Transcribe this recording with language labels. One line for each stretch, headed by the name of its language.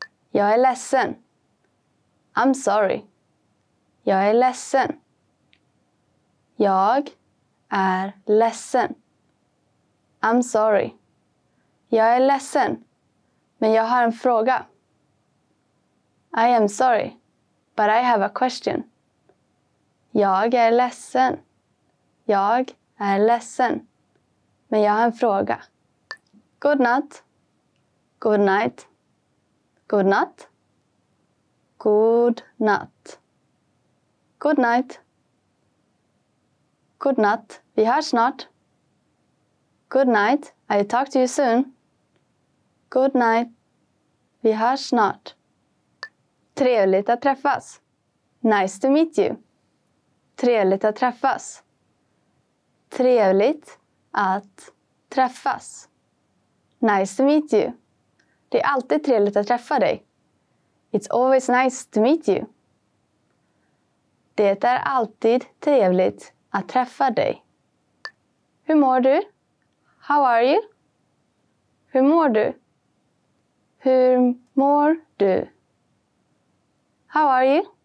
Swedish: Jag är ledsen.
English: I'm sorry.
Swedish: Jag är ledsen. Jag är ledsen.
English: I'm sorry.
Swedish: Jag är ledsen, men jag har en fråga.
English: I am sorry, but I have a question.
Swedish: Jag är ledsen. Jag är ledsen, men jag har en fråga.
English: Good night. Good night. Good night. Good night. Good night. Good night.
Swedish: Vi hörs snart.
English: Good night. I talk to you soon. Good night.
Swedish: Vi hörs snart. Trevligt att träffas.
English: Nice to meet you.
Swedish: Trevligt att träffas. Trevligt att träffas.
English: Nice to meet you.
Swedish: Det är alltid trevligt att träffa dig.
English: It's always nice to meet you.
Swedish: Det är alltid trevligt att träffa dig. Hur mår du?
English: How are you?
Swedish: Hur mår du? Hur mår du?
English: How are you?